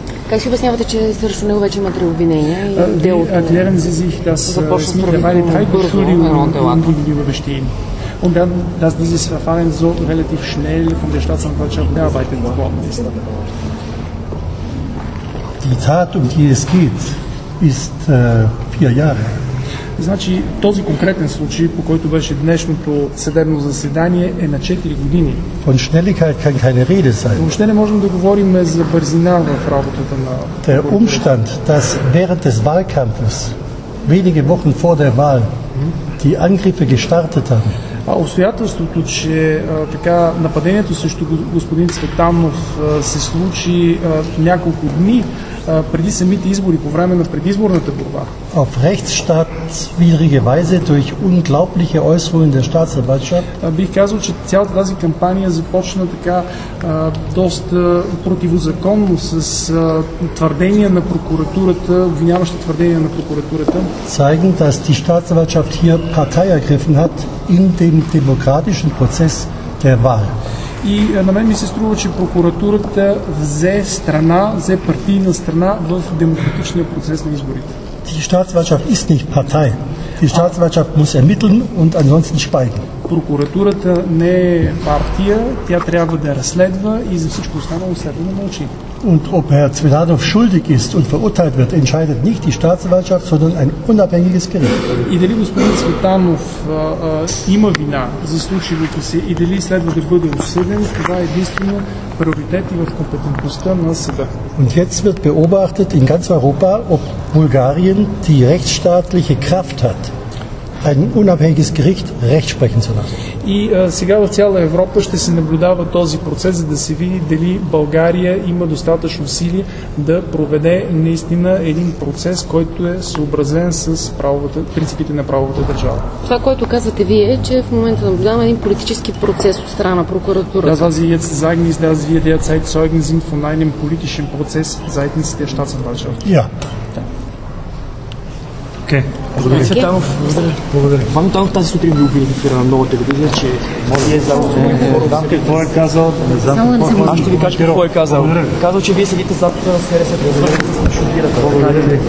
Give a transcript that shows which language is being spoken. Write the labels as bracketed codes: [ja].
[bg] Как си обяснявате, че срещу него вече има три обвинения и делото е започнато дело? [de] Und dann, dass dieses Verfahren so relativ schnell von der Staatsanwaltschaft bearbeitet worden ist. Die Tat, um die es geht, ist vier Jahre. [bg] Значи, този конкретен случай, по който беше днешното съдебно заседание, е на 4 години. [de] Von Schnelligkeit kann keine Rede sein. [bg] Въобще не можем да говорим за бързина в работата на... [de] Der Umstand, dass während des Wahlkampfes, wenige Wochen vor der Wahl, die Angriffe gestartet haben, [bg] а обстоятелството, че така нападението срещу господин Цветанов се случи няколко дни преди самите избори, по време на предизборната борба. [de] Auf rechtsstaatswidrige Weise durch unglaubliche Äußerungen der Staatsanwaltschaft. [bg] Бих казал, че цялата тази кампания започна така доста противозаконно с твърдения на прокуратурата, обвиняващи твърдения на прокуратурата. [de] Zeigen, dass die Staatsanwaltschaft hier Partei ergriffen hat in dem demokratischen Prozess der Wahl. [bg] И на мен ми се струва, че прокуратурата взе страна, взе партийна страна в демократичния процес на изборите. [de] Die Staatsanwaltschaft ist nicht Partei. Die Staatsanwaltschaft muss ermitteln und ansonsten schweigen. [bg] Прокуратурата не е партия, тя трябва да разследва и за всичко останало следва да мълчи. [de] Und ob Herr Cvetanov schuldig ist und verurteilt wird, entscheidet nicht die Staatsanwaltschaft, sondern ein unabhängiges Gericht. [bg] И дали господин Цветанов има вина за случилото се и дали следва да бъде осъден, това е единствено приоритет и в компетентността на съда. [de] Und jetzt wird beobachtet in ganz Europa, ob Bulgarien die rechtsstaatliche Kraft hat, ein unabhängiges Gericht recht sprechen zu lassen. [bg] И сега в цяла Европа ще се наблюдава този процес, за да се види дали България има достатъчно сили да проведе наистина един процес, който е съобразен с правовата, принципите на правовата държава. Това, което казвате вие, че в момента наблюдаваме един политически процес от страна на прокуратурата. [de] Das, was Sie jetzt sagen, ist, dass wir derzeit Zeugen sind von einem politischen Prozess seitens der Staatsanwaltschaft. Ja. [bg] Благодаря. Цветанов, благодаря. Ван Танов тази сутрин ви обиди в ефира на Нова телевизия, че вие заедно. Какво е казал? Аз ще ви кажа какво е казал. Казал, че вие седите зад сферата, с която се шокирате. Благодаря.